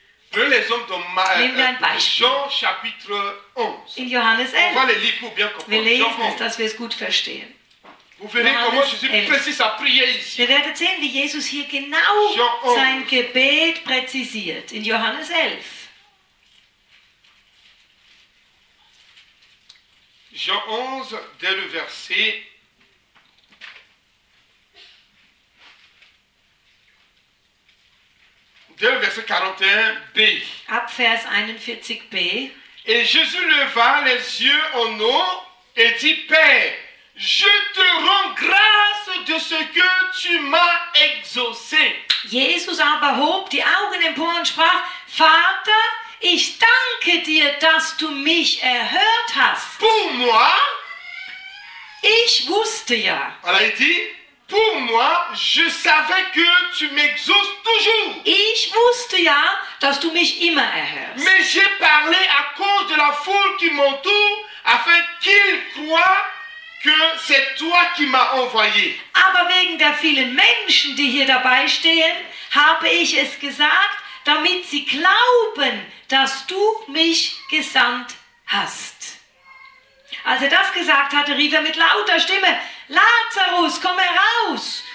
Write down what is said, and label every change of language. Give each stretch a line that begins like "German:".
French: Prenons l'exemple de Jean chapitre 11.
German: In Johannes 11.
French: On va le lire pour bien comprendre.
German: Wir lesen es, dass wir es gut verstehen.
French: Vous verrez comment Jésus précise sa prière ici.
German: Wir werden sehen, wie Jesus hier genau sein Gebet präzisiert. In Johannes 11.
French: Jean 11, dès le verset 41b.
German: Ab Vers 41b.
French: Et Jésus leva les yeux en haut et dit, Père, je te rends grâce de ce que tu m'as exaucé.
German: Jesus aber hob die Augen empor und sprach, Vater, ich danke dir, dass du mich erhört hast.
French: Pour moi,
German: ich wusste ja.
French: Alors il dit, pour moi, je savais que tu m'exauces toujours.
German: Ich wusste ja, dass du mich immer erhörst.
French: Mais j'ai parlé à cause de la foule qui m'entoure, afin qu'ils croient que c'est toi qui m'as envoyé.
German: Aber wegen der vielen Menschen, die hier dabei stehen, habe ich es gesagt, damit sie glauben, dass du mich gesandt hast. Als er das gesagt hatte, rief er mit lauter Stimme, Lazarus, komm heraus!